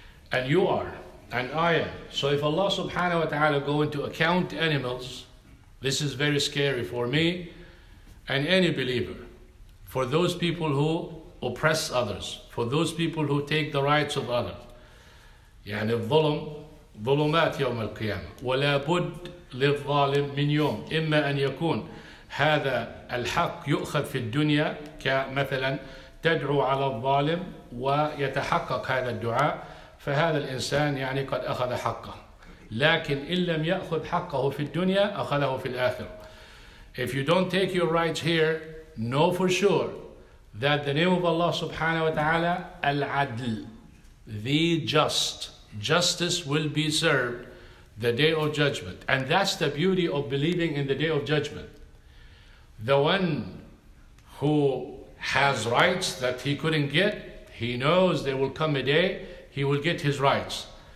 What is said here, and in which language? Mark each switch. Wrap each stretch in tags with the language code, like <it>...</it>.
<en>And you are, and I am. So if Allah subhanahu wa ta'ala go into account animals, this is very scary for me and any believer, for those people who oppress others, for those people who take the rights of others.</en> <ar>يعني الظلم ظلمات يوم القيامة ولابد للظالم من يوم إما أن يكون هذا الحق يؤخذ في الدنيا كمثلا تدعو على الظالم ويتحقق هذا الدعاء فهذا الإنسان يعني قد أخذ حقه لكن إن لم يأخذ حقه في الدنيا أخذه في الآخرة.</ar> <en>If you don't take your rights here, know for sure that the name of Allah subhanahu wa ta'ala</en> <ar>العدل,</ar> <en>the just, justice will be served the day of judgment. And that's the beauty of believing in the day of judgment. The one who has rights that he couldn't get, he knows there will come a day he will get his rights.</en>